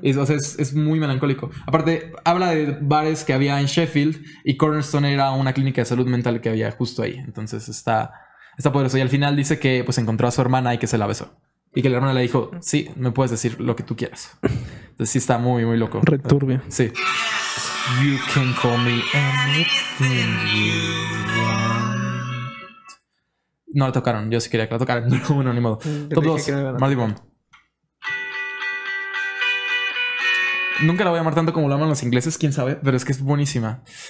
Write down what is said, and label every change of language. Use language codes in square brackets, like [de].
[es] Y, o sea, es muy melancólico. Aparte, habla de bares que había en Sheffield y Cornerstone era una clínica de salud mental que había justo ahí. Entonces está poderoso. Y al final dice que pues encontró a su hermana y que se la besó. Y que la hermana le dijo, sí, me puedes decir lo que tú quieras. Entonces sí está muy, muy loco. Returbio. Sí. [en] You can call me anything you want. [es] No la tocaron, yo sí quería que la tocaran. Bueno, ni modo. Top 2, Marty Bone. Nunca la voy a amar tanto como la aman los ingleses, quién sabe, pero es que es buenísima.